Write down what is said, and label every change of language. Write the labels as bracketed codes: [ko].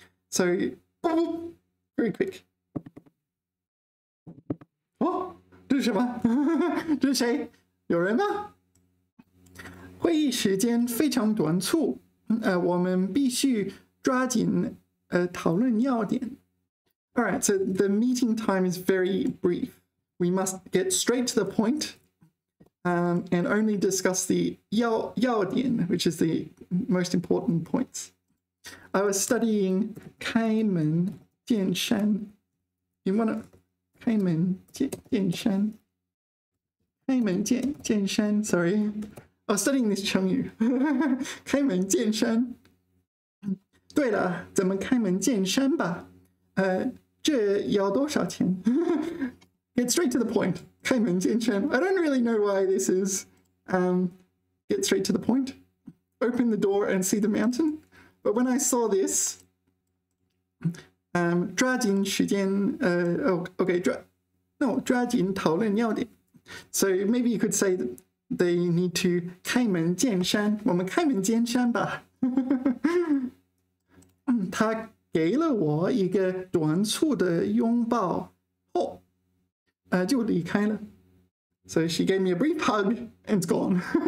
[en] So, very quick. [zh] 是什么？这是谁？有人吗？会议时间非常短促， 我们必须抓紧， 讨论要点。 [en] Alright, so the meeting time is very brief. We must get straight to the point, and only discuss the 要点, which is the most important points. I was studying 开门见山.You want to... [zh] 开门见山.开门见山, sorry. [en] I was studying this 成语.开门见山. [zh] 对了, 咱们开门见山吧。这要多少钱? [en] Get straight to the point. [zh] 开门见山. [en] I don't really know why this is. Get straight to the point. Open the door and see the mountain. But when I saw this, [zh] 抓紧时间, [en] okay, [zh] 抓紧讨论要点. [en] So maybe you could say that they need to 开门见山. [zh] 我们开门见山吧. 他 给了我一个短促的拥抱, 后, 就离开了。 [en] So she gave me a brief hug and it's gone.